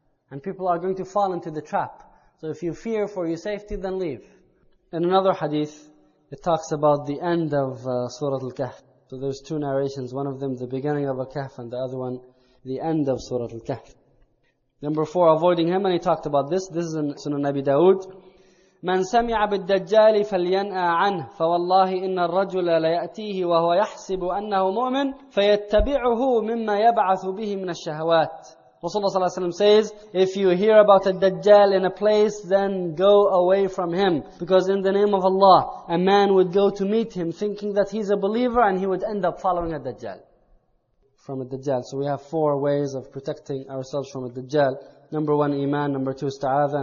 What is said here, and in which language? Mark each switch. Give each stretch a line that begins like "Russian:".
English: And people are going to fall into the trap. So if you fear for your safety, then leave. In another hadith, it talks about the end of Surah Al-Kahf. So there's two narrations. One of them, the beginning of Al-Kahf, and the other one, the end of Surah Al-Kahf. Number four, avoiding him. And he talked about this. This is in Sunan Nabi Dawood.
Arabic: من سمع بالدجال فلينأ عنه فوالله إن الرجل ليأتيه وهو يحسب أنه مؤمن فيتبعه مما يبعث به من الشهوات.
English: Rasulullah
Arabic: صلى الله عليه وسلم
English: says, if you hear about a Dajjal in a place, then go away from him. Because in the name of Allah, a man would go to meet him thinking that he's a believer and he would end up following a Dajjal. From a Dajjal. So we have four ways of protecting ourselves from a Dajjal. Number one, iman. Number two, ista'adha.